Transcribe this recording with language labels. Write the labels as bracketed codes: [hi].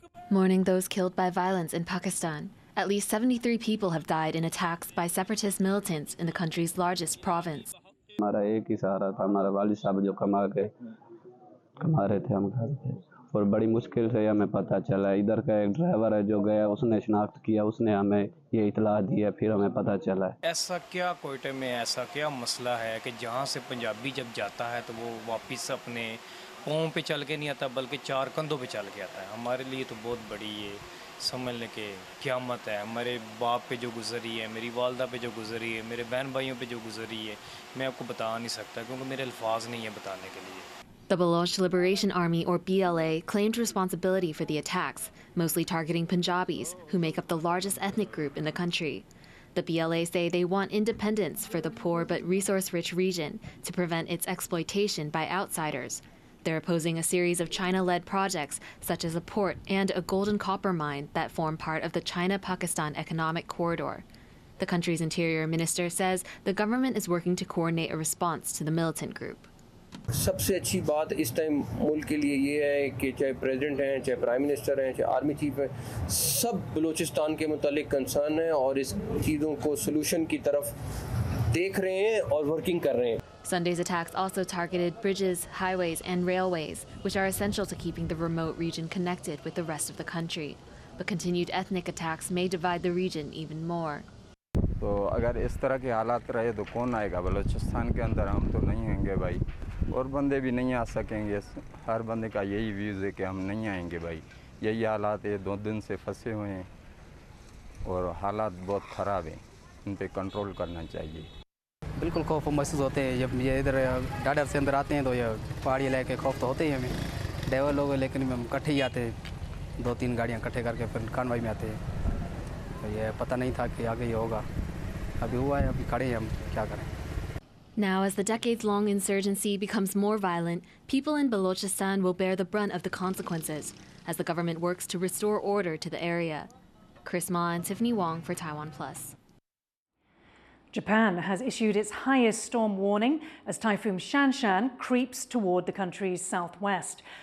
[en] Mourning those killed by violence in Pakistan, at least 73 people have died in attacks by separatist militants in the country's largest province. [hi] और बड़ी मुश्किल से हमें पता चला इधर का एक ड्राइवर है जो गया उसने शिनाख्त किया उसने हमें ये इत्तला दी है फिर हमें पता चला ऐसा क्या कोयटे में ऐसा क्या मसला है कि जहां से पंजाबी जब जाता है तो वो वापस अपने पांव पे चल के नहीं आता बल्कि चार कंधों पे चल के आता है हमारे लिए तो बहुत बड़ी ये समझने के क़यामत है हमारे बाप पे जो गुजरी है मेरी वालदा पे जो गुजरी है मेरे बहन भाइयों पे जो गुजरी है मैं आपको बता नहीं सकता क्योंकि मेरे अल्फाज नहीं है बताने के लिए [en] The Baloch Liberation Army, or BLA, claimed responsibility for the attacks, mostly targeting Punjabis, who make up the largest ethnic group in the country. The BLA say they want independence for the poor but resource-rich region to prevent its exploitation by outsiders. They're opposing a series of China-led projects, such as a port and a golden copper mine that form part of the China-Pakistan Economic Corridor. The country's interior minister says the government is working to coordinate a response to the militant group. [hi] सबसे अच्छी बात इस time मुल्क के लिए ये है कि चाहे प्रेसिडेंट हैं चाहे प्राइम मिनिस्टर हैं चाहे आर्मी चीफ हैं सब बलूचिस्तान के मुतालिक कंसर्न हैं और इस चीज़ों को सलूशन की तरफ देख रहे हैं और वर्किंग कर रहे हैं [en] Sunday's attacks also targeted bridges, highways and railways, which are essential to keeping the remote region connected with the rest of the country. But continued ethnic attacks may divide the region even more. [hi] तो अगर इस तरह के हालात रहे तो कौन आएगा बलूचिस्तान के अंदर हम तो नहीं होंगे भाई और बंदे भी नहीं आ सकेंगे हर बंदे का यही व्यूज़ है कि हम नहीं आएंगे भाई यही हालात ये दो दिन से फंसे हुए हैं और हालात बहुत ख़राब हैं इन पे कंट्रोल करना चाहिए बिल्कुल खौफ महसूस होते हैं जब ये इधर डाडर से अंदर आते हैं तो ये पहाड़ी इलाके के खौफ तो होते ही हमें ड्राइवर लोग लेकिन हम इकट्ठे ही आते हैं दो तीन गाड़ियाँ इकट्ठे करके फिर कानवाई में आते हैं तो ये पता नहीं था कि आगे ये होगा अभी हुआ है अभी खड़े हैं हम क्या करें [en] Now, as the decades-long insurgency becomes more violent, people in Balochistan will bear the brunt of the consequences as the government works to restore order to the area. Chris Ma and Tiffany Wong for Taiwan Plus. Japan has issued its highest storm warning as Typhoon Shanshan creeps toward the country's southwest.